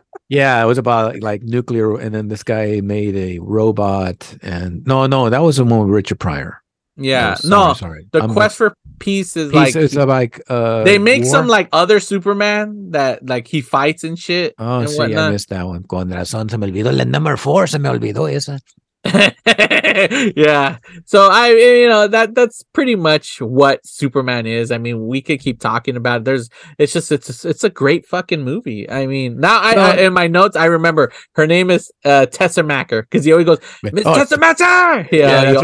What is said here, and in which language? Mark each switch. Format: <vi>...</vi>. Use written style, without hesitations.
<en>Yeah, it was about like nuclear, and then this guy made a robot, and no, that was a one with Richard Pryor. Yeah, Quest for Peace is like it's like they make war? Some like other Superman that like he fights and shit. Oh, and see, whatnot. I missed that one.</en> <es>Con razón se me olvidó el</es> <en>number</en> <es>4, se me olvidó esa.</es> <en>Yeah, so I, you know, that's pretty much what Superman is. I mean, we could keep talking about it. It's a great fucking movie. I mean, now I in my notes I remember her name is Tessa Macker, because he always goes, Miss Tessa Macker. Yeah, he's right.</en>